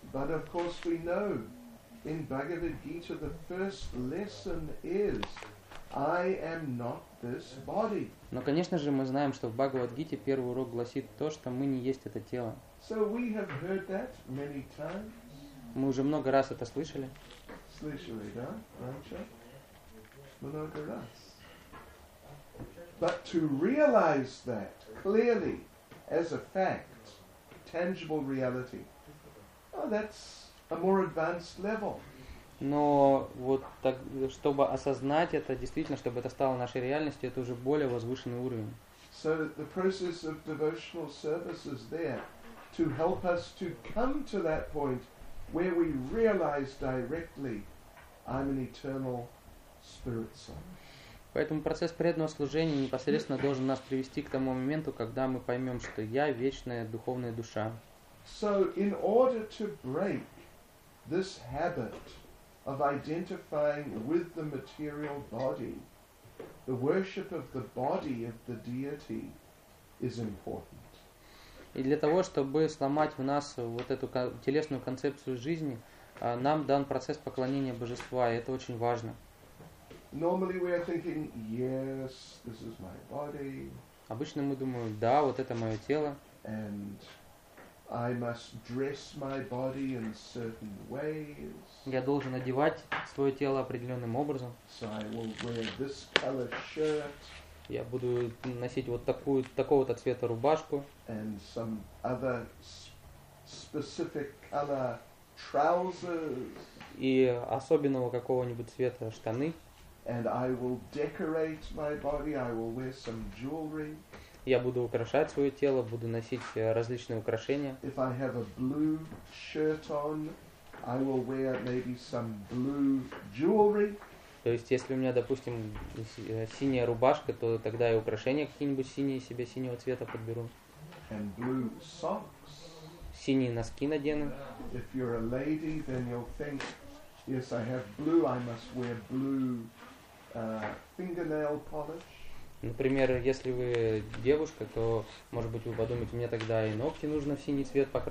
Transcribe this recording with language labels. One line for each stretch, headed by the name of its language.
English: But of course we know in Bhagavad Gita the first lesson is I am not this body.
Russian: Но, конечно же, мы знаем, что в Бхагавад-гите первый урок гласит то, что мы не есть это тело.
English: So we have heard that many times.
Russian: Мы уже много раз это слышали. Слышали, да? Раньше? Много раз.
English: But to realize that clearly as a fact, tangible reality, well, that's a more advanced level.
Russian: Но вот так, чтобы осознать это действительно, чтобы это стало нашей реальностью, это уже более возвышенный уровень.
English: So the process of devotional service is there to help us to come to that point where we realize directly, I'm an eternal spirit soul.
Russian: Поэтому процесс преданного служения непосредственно должен нас привести к тому моменту, когда мы поймем, что я вечная духовная душа.
English: So in order to break this habit of identifying with the material body, the worship of the body of the deity is important.
Russian: И для того, чтобы сломать в нас вот эту телесную концепцию жизни, нам дан процесс поклонения божества, и это очень важно.
English: Normally we are thinking, yes, this is my body.
Russian: Обычно мы думаем, да, вот это мое тело.
English: And I must dress my body in certain ways.
Russian: Я должен одевать свое тело определенным образом.
English: So I will wear this color shirt.
Russian: Я буду носить вот такую, такого-то цвета рубашку.
English: And some other specific color trousers.
Russian: И особенного какого-нибудь цвета штаны.
English: And I will decorate my body, I will wear some jewelry.
Russian: Я буду украшать свое тело, буду носить различные украшения.
English: If I have a blue shirt on, I will wear maybe some blue jewelry.
Russian: То есть, если у меня, допустим, синяя рубашка, то тогда и украшения какие-нибудь синие себе синего цвета подберу.
English: And blue socks.
Russian: Синие носки надену.
English: If you're a lady, then you'll think, yes, I have blue, I must wear blue fingernail polish.
Russian: Например, если вы девушка, то, может быть, вы подумаете, мне тогда и ногти нужно в синий цвет